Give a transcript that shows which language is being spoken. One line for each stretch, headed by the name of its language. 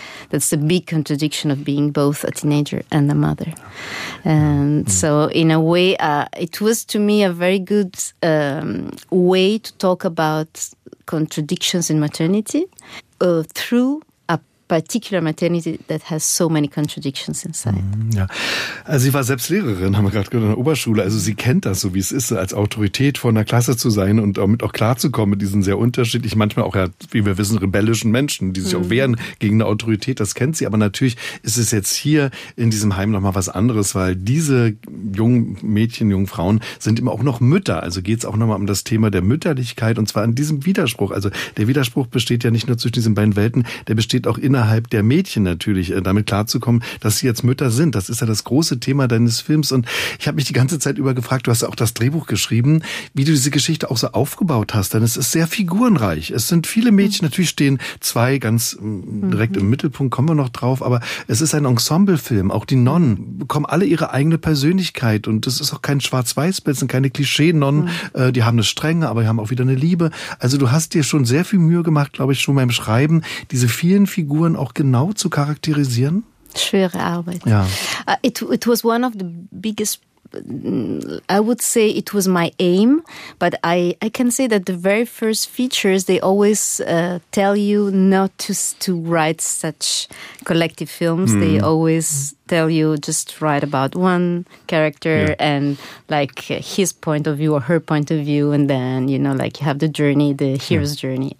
English: That's the big contradiction of being both a teenager and a mother. And so in a way, it was to me a very good way to talk about contradictions in maternity through particular maternity that has so many contradictions inside.
German: Ja. Also sie war selbst Lehrerin, haben wir gerade gehört, in der Oberschule. Also sie kennt das so, wie es ist, als Autorität vor einer Klasse zu sein und damit auch klarzukommen mit diesen sehr unterschiedlichen, manchmal auch, ja, wie wir wissen, rebellischen Menschen, die sich auch wehren gegen eine Autorität. Das kennt sie. Aber natürlich ist es jetzt hier in diesem Heim nochmal was anderes, weil diese jungen Mädchen, jungen Frauen sind immer auch noch Mütter. Also geht es auch nochmal um das Thema der Mütterlichkeit, und zwar in diesem Widerspruch. Also der Widerspruch besteht ja nicht nur zwischen diesen beiden Welten, der besteht auch innerhalb innerhalb der Mädchen natürlich damit klarzukommen, dass sie jetzt Mütter sind. Das ist ja das große Thema deines Films. Und ich habe mich die ganze Zeit über gefragt, du hast ja auch das Drehbuch geschrieben, wie du diese Geschichte auch so aufgebaut hast. Denn es ist sehr figurenreich. Es sind viele Mädchen, natürlich stehen zwei ganz direkt im Mittelpunkt, kommen wir noch drauf. Aber es ist ein Ensemblefilm. Auch die Nonnen bekommen alle ihre eigene Persönlichkeit. Und es ist auch kein Schwarz-Weiß-Bild, sind keine Klischee-Nonnen. Die haben eine Strenge, aber die haben auch wieder eine Liebe. Also du hast dir schon sehr viel Mühe gemacht, glaube ich, schon beim Schreiben, diese vielen Figuren auch genau zu charakterisieren. Schwere Arbeit. Ja.
English: It was one of the biggest, I would say it was my aim, but I can say that the very first features, they always tell you not to write such collective films. Mm. They always tell you just write about one character and like his point of view or her point of view, and then you know, like you have the journey, the hero's journey.